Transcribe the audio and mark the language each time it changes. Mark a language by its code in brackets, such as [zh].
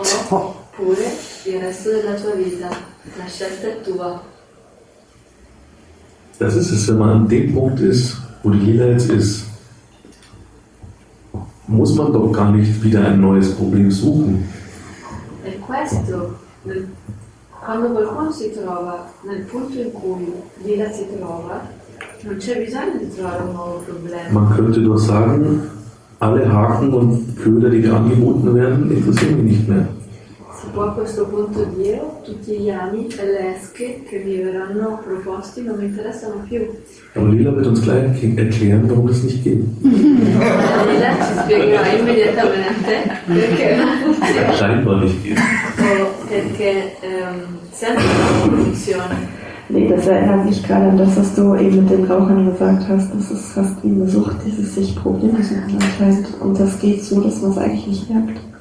[it] Oppure il resto della tua vita. La scelta è tua. [de] Das ist es, wenn man an dem Punkt ist, wo die Lila jetzt ist, muss man doch gar nicht wieder ein neues Problem suchen. [it] E questo, quando qualcuno si trova nel punto in cui Lila si trova, non c'è bisogno di trovare un nuovo problema. [de] Man könnte nur sagen, alle Haken und Köder, die dir angeboten werden, interessieren mich nicht mehr. [it] Si può a questo punto dire, tutti gli ami e le esche che mi verranno proposti non mi interessano più. [de] Aber Lila wird uns gleich erklären, warum es nicht geht. [it] Lila ci spiegherà immediatamente perché non funziona. [de] Scheinbar nicht geht. [it] Perché sempre non funziona. [de] Nee, das erinnert mich gerade an das, was du eben mit den Rauchern gesagt hast. Das ist fast wie eine Sucht, dieses sich Probleme suchen anscheinend. Und das geht so, dass man es eigentlich nicht merkt.